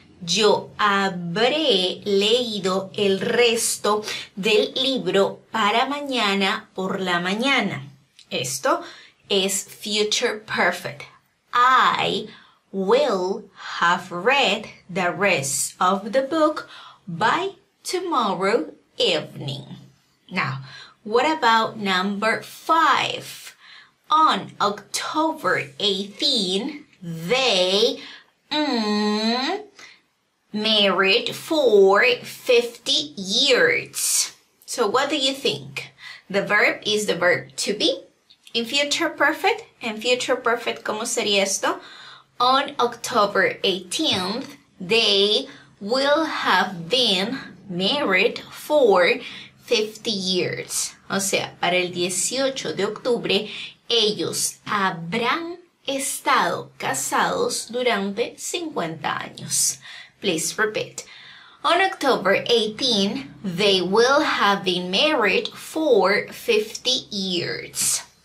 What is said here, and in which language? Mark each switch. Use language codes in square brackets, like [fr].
[es] Yo habré leído el resto del libro para mañana por la mañana. Esto es future perfect. [en] I will have read the rest of the book by tomorrow evening. Now, what about number five? On October 18, they married for 50 years. So what do you think? The verb is the verb to be in future perfect. In future perfect, [es] ¿cómo sería esto? [en] On October 18th, they will have been married for 50 years. [es] O sea, para el 18 de octubre, ellos habrán estado casados durante 50 años. [en] Please repeat. On October 18, they will have been married for 50 years.